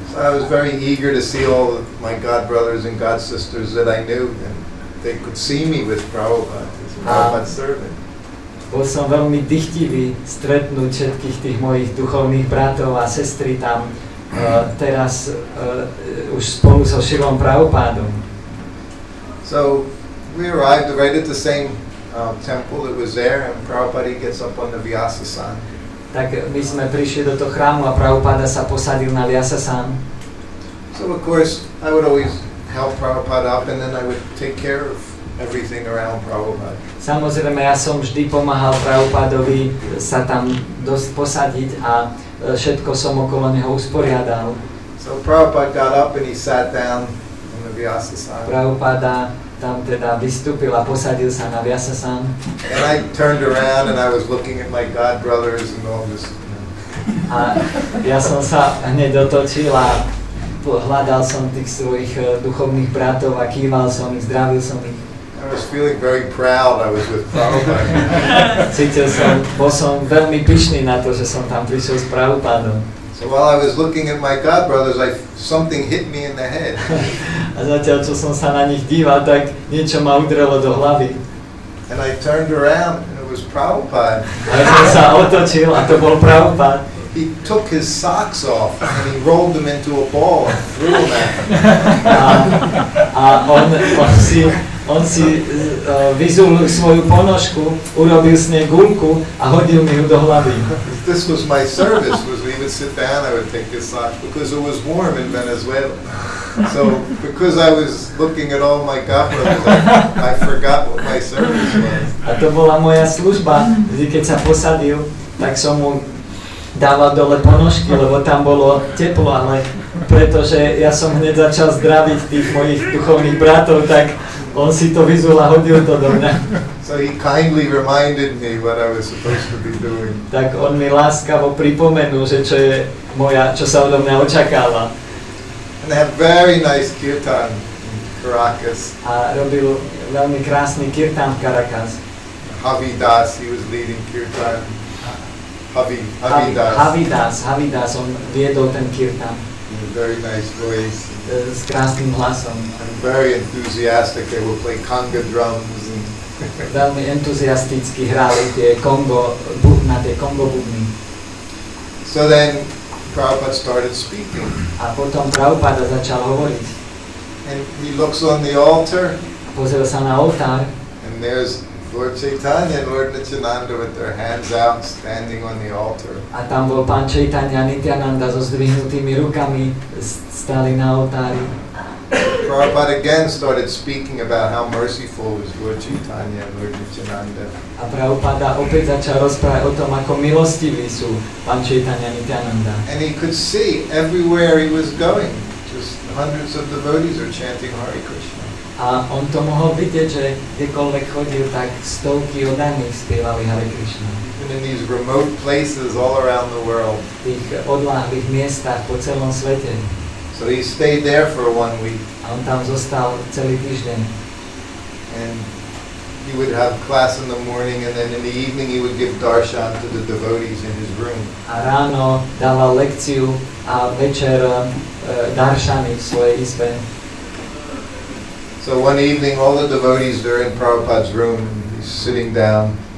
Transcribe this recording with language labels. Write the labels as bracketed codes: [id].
[en] So I was very eager to see all my God brothers and God sisters that I knew, and they could see me with Prabhupada, Prabhupada's servant. [sk] Bol som veľmi dychtivý stretnúť všetkých tých mojich duchovných bratov a sestry tam teraz už spolu so Šilom Prabhupádom. [en] So we arrived right at the same temple that was there, and Prabhupada gets up on the Vyasasan. [sk] Tak my sme prišli do toho chrámu a Prabhupada sa posadil na Vyasasan. [en] So of course I would always help Prabhupada up, and then I would take care of everything around Prabhupada. [sk] Samozrejme, ja som vždy pomáhal Prabhupádovi sa tam posadiť a všetko som okolo neho usporiadal. [en] So Prabhupada got up and he sat down on the Vyasasan. [sk] Prabhupada tam teda vystúpil a posadil sa na Vyasasan. [en] And I turned around and I was looking at my God brothers and all this. [sk] A ja som sa hneď otočil a hľadal som tých svojich duchovných bratov a kýval som ich, zdravil som ich. [en] I was feeling very proud I was with Prabhupada. [sk] Cítil som, bol som veľmi pyšný na to, že som tam prišiel s Prabhupádom. [en] So while I was looking at my God brothers, like something hit me in the head. [sk] A zatiaľ, čo som sa na nich díval, tak niečo ma udrelo do hlavy. [en] And I turned around and it was Prabhupada. [sk] A som sa otočil a to bol Prabhupada. [en] He took his socks off and he rolled them into a ball and threw them at him. [sk] On si vyzul svoju ponožku, urobil s nej guľku a hodil mi ju do hlavy. [en] This was my service, was we would sit down, I would take his socks, because it was warm in Venezuela. So, because I was looking at all my God brothers, I forgot what my service was. [sk] A to bola moja služba, vždy keď sa posadil, tak som mu dával dole ponožky, lebo tam bolo teplo, ale pretože ja som hneď začal zdraviť tých mojich duchovných bratov, tak on si to vyzul a hodil to do mňa. [en] So he kindly reminded me what I was supposed to be doing. [sk] Tak on mi láskavo pripomenul, že čo je moja, čo sa odo mňa očakáva. [en] And they have very nice kirtan in Caracas. [sk] A robil veľmi krásny kirtan v Caracas. [en] Javi Das, he was leading kirtan. [sk] Javi Das, on viedol ten kirtan. [en] In a very nice voice. [sk] S krásnym hlasom. [en] And very enthusiastic, they will play conga drums. [sk] Veľmi entuziasticky hrali tie kongo, na tie kongo bubny. [en] So then Prabhupada started speaking. [sk] A potom Prabhupada začal hovoriť. [en] And he looks on the altar. [sk] Pozrel sa na oltár. [en] And there's Lord Chaitanya and Lord Nityananda with their hands out, standing on the altar. [sk] A tam bol pán Chaitanya Nityananda so zdvihnutými rukami, stali na oltári. [en] Prabhupada again started speaking about how merciful was Guru Chaitanya and Guru Nityananda. [sk] A Prabhupada opäť začal rozprávať o tom, ako milostivý sú Pán Chaitanya Nityananda. [en] And he could see everywhere he was going, just hundreds of devotees are chanting Hare Krishna. [sk] A on to mohol vidieť, že kdekoľvek chodil, tak stovky oddaných spievali Hare Krishna. [en] And in these remote places all around the world. [sk] V tých odláhlých miestach po celom svete. [en] So he stayed there for 1 week. [sk] A on tam zostal celý týždeň. [en] And he would have class in the morning and then in the evening he would give darshan to the devotees in his room. [sk] A ráno dával lekciu a večer darshany v svojej izbe. [en] So one evening all the devotees were in Prabhupada's room and he's sitting down.